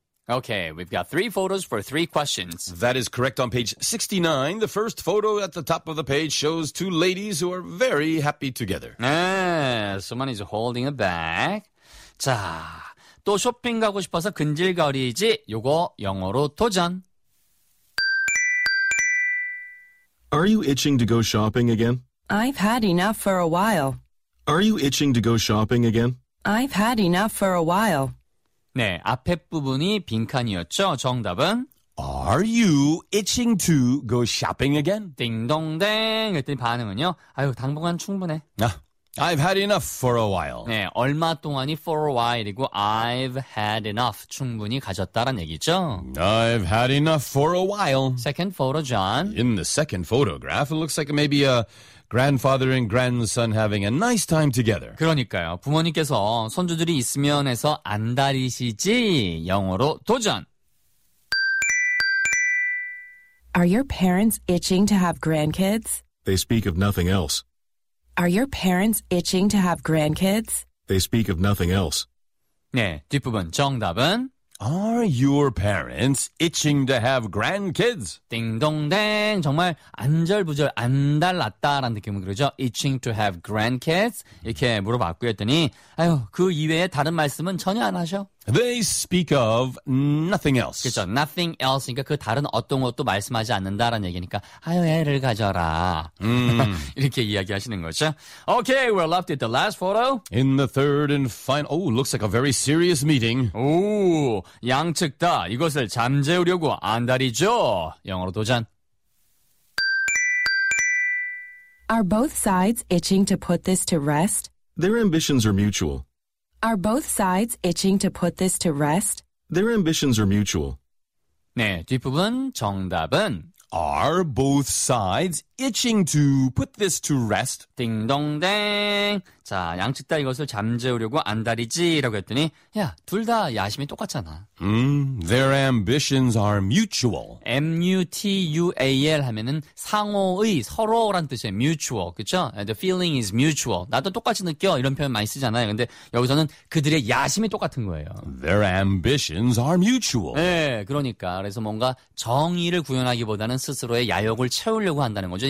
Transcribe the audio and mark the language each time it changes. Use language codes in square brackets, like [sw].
[en] Okay, we've got three photos for three questions. That is correct. On page 69, the first photo at the top of the page shows two ladies who are very happy together. [ko] 네, [en] someone is holding a bag. [ko] 자, 또 쇼핑 가고 싶어서 근질거리지? 요거 영어로 도전. [en] Are you itching to go shopping again? I've had enough for a while. Are you itching to go shopping again? I've had enough for a while. [ko] 네, 앞에 부분이 빈칸이었죠. 정답은 [en] Are you itching to go shopping again? [ko] 띵동댕 그랬더니 반응은요. 아유, 당분간 충분해. 아, [en] I've had enough for a while. [ko] 네, 얼마 동안이 [en] for a while [ko] 이고 [en] I've had enough [ko] 충분히 가졌다란 얘기죠. [en] I've had enough for a while. Second photo, John. In the second photograph, it looks like maybe a grandfather and grandson having a nice time together. [ko] 그러니까요. 부모님께서 손주들이 있으면 해서 안달이시지. 영어로 도전. [en] Are your parents itching to have grandkids? They speak of nothing else. Are your parents itching to have grandkids? They speak of nothing else. [ko] 네, 뒷부분 정답은 [en] Are your parents itching to have grandkids? [ko] 띵동댕, 정말 안절부절, 안달났다라는 느낌은 그러죠. [en] Itching to have grandkids? [ko] 이렇게 물어봤고 했더니 아유, 그 이외에 다른 말씀은 전혀 안 하셔. [en] They speak of nothing else. [ko] 그렇죠, [en] nothing else. [ko] 그러니까 그 다른 어떤 것도 말씀하지 않는다라는 얘기니까 아유, 애를 가져라. 이렇게 이야기하시는 거죠. [en] Okay, we're left with the last photo. In the third and final... Oh, looks like a very serious meeting. [ko] 오, 양측 다 이것을 잠재우려고 안달이죠. 영어로 도전. [en] Are both sides itching to put this to rest? Their ambitions are mutual. Are both sides itching to put this to rest? Their ambitions are mutual. [ko] 네, 뒷부분 정답은 [en] Are both sides itching to put this to rest? [ko] 띵동댕. 자, 양측 다 이것을 잠재우려고 안달이지라고 했더니 야, 둘 다 야심이 똑같잖아. [en] Their ambitions are mutual. [ko] M-U-T-U-A-L 하면은 상호의, 서로란 뜻이에요. [en] Mutual, [ko] 그쵸? [en] The feeling is mutual. [ko] 나도 똑같이 느껴. 이런 표현 많이 쓰잖아요. 근데 여기서는 그들의 야심이 똑같은 거예요. Their ambitions are mutual. 네, 그러니까. 그래서 뭔가 정의를 구현하기보다는 스스로의 야욕을 채우려고 한다는 거죠.